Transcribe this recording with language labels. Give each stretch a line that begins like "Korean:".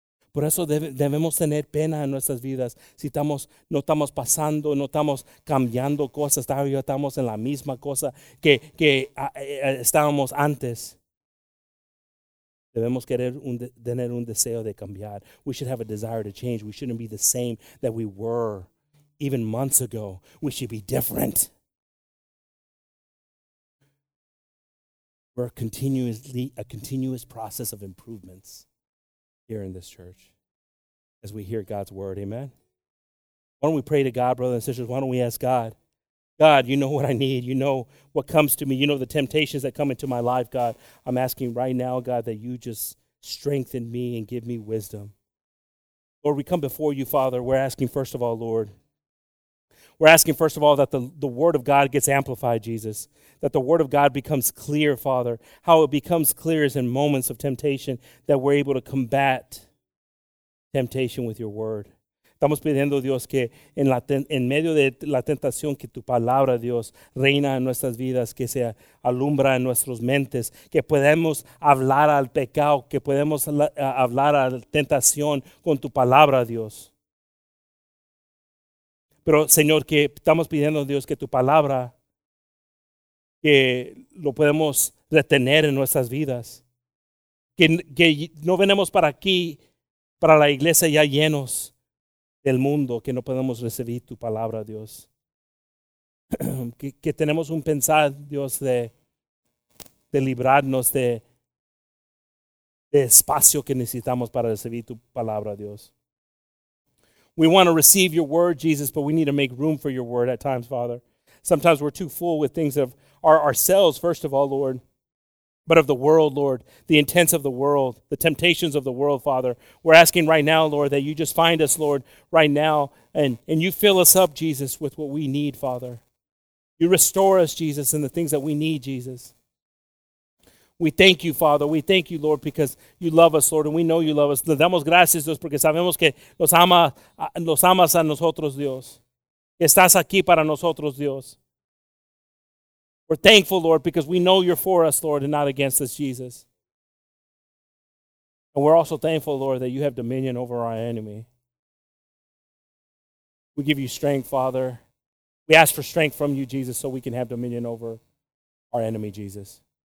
Spanish: Por eso debemos tener pena en nuestras vidas. Si no estamos pasando, no estamos cambiando cosas, estamos en la misma cosa que estábamos antes. Debemos querer tener un deseo de cambiar.
English: We should have a desire to change. We shouldn't be the same that we were even months ago. We should be different. We're a continuous process of improvements here in this church. As we hear God's word, amen? Why don't we pray to God, brothers and sisters? Why don't we ask God? God, you know what I need. You know what comes to me. You know the temptations that come into my life, God. I'm asking right now, God, that you just strengthen me and give me wisdom. Lord, we come before you, Father. We're asking, first of all, Lord, we're asking, first of all, that the word of God gets amplified, Jesus, that the word of God becomes clear, Father. How it becomes clear is in moments of temptation that we're able to combat temptation with your word.
Spanish: Estamos pidiendo, Dios, que en medio de la tentación, que tu palabra, Dios, reina en nuestras vidas, que se alumbra en nuestras mentes, que podemos hablar al pecado, que podemos hablar a la tentación con tu palabra, Dios. Pero, Señor, que estamos pidiendo, Dios, que tu palabra, que lo podemos retener en nuestras vidas, que no venimos para aquí, para la iglesia ya llenos del mundo, que no podemos recibir tu palabra, Dios. que tenemos un pensar, Dios, de librarnos de espacio que necesitamos para recibir tu palabra, Dios.
English: We want to receive your word, Jesus, but we need to make room for your word at times, Father. Sometimes we're too full with things of ourselves, first of all, Lord. But of the world, Lord, the intents of the world, the temptations of the world, Father. We're asking right now, Lord, that you just find us, Lord, right now, and you fill us up, Jesus, with what we need, Father. You restore us, Jesus, in the things that we need, Jesus. We thank you, Father. We thank you, Lord, because you love us, Lord, and we know you love us.
Spanish: Le damos gracias, Dios, porque sabemos que los amas a nosotros, Dios. Estás aquí para nosotros, Dios.
English: We're thankful, Lord, because we know you're for us, Lord, and not against us, Jesus. And we're also thankful, Lord, that you have dominion over our enemy. We give you strength, Father. We ask for strength from you, Jesus, so we can have dominion over our enemy, Jesus.